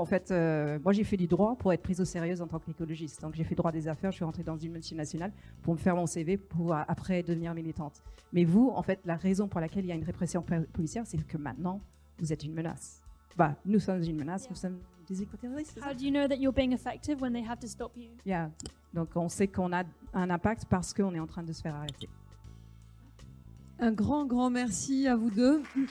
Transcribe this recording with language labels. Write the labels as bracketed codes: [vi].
[fr] En fait, moi, j'ai fait du droit pour être prise au sérieux en tant qu'écologiste. Donc, j'ai fait droit des affaires, je suis rentrée dans une multinationale pour me faire mon CV pour après devenir militante. Mais vous, en fait, la raison pour laquelle il y a une répression policière, c'est que maintenant, vous êtes une menace. Nous sommes une menace, nous sommes des éco-terroristes. [en] How do you know that you're being effective when they have to stop you? Yeah. [fr] Donc, on sait qu'on a un impact parce qu'on est en train de se faire arrêter. Un grand, grand merci à vous deux.